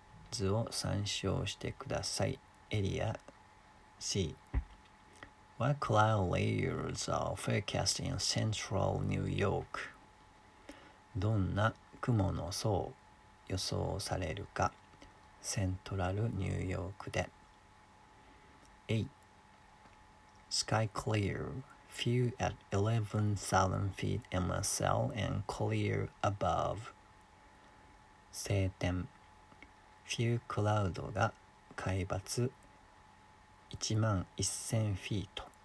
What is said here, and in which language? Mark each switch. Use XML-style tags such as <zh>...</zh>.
<ja>図を参照してください。エリア C.</ja> <en>What cloud layers are forecast in central New York?</en> <ja>どんな雲の層予想されるか。セントラルニューヨークで。</ja> <en>A. Sky clear, few at 11,000 feet MSL and clear above.</en> <ja>晴天、few cloud が海抜1万1000フィート。</ja>